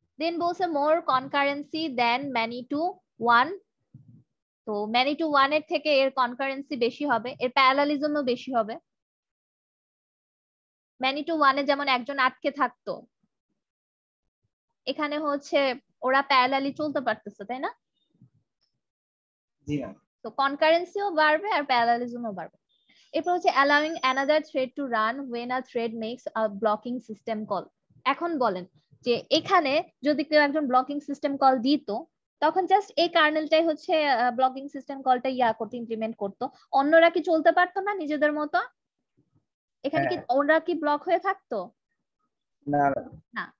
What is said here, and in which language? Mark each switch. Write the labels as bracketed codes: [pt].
[en] Then [bn] বলছে [en] more concurrency than many to one. [bn] তো many to one এর থেকে এর কনকারেন্সি বেশি হবে, এর প্যারালালিজমও বেশি হবে। many to one এ যেমন একজন আটকে থাকতো, এখানে হচ্ছে ওরা প্যারালালি চলতে পারতেছে, তাই না? জি না, তো কনকারেন্সিও বাড়বে আর প্যারালালিজমও বাড়বে। এরপর হচ্ছে [en] allowing another thread to run when a thread makes a blocking system call। [bn] এখন বলেন যে এখানে যদি কেউ একজন ব্লকিং সিস্টেম কল দিত, তখন জাস্ট এই কার্নেলটাই হচ্ছে ব্লকিং সিস্টেম কলটা ইয়া করতে ইমপ্লিমেন্ট করতো, অন্যরা কি চলতে পারতো না নিজেদের মতো? এখানে কি ওরা কি ব্লক হয়ে থাকতো? না।